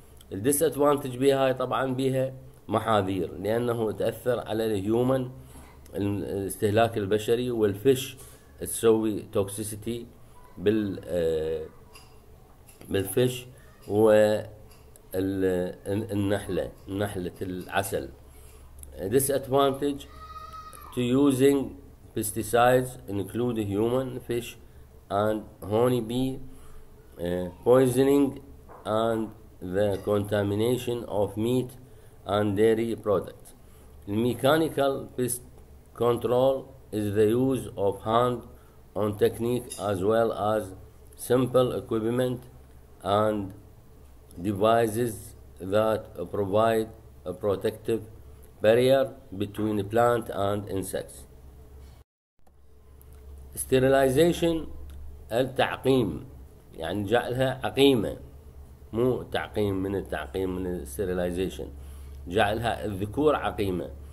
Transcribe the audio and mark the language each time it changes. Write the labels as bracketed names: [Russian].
[English] The disadvantage [Arabic] بها طبعا بها محاذير لأنه تأثر على الهيومن الاستهلاك البشري والفش تسوي توكسيسيتي بالفش والنحلة نحلة العسل. [English] The disadvantage to using pesticides include human, fish and honey bee poisoning and the contamination of meat and dairy products. Mechanical pest control is the use of hand-on technique as well as simple equipment and devices that provide a protective barrier between the plant and insects. Sterilization, التعقيم. [Arabic] يعني جعلها عقيمة مو تعقيم من التعقيم من sterilization جعلها الذكور عقيمة.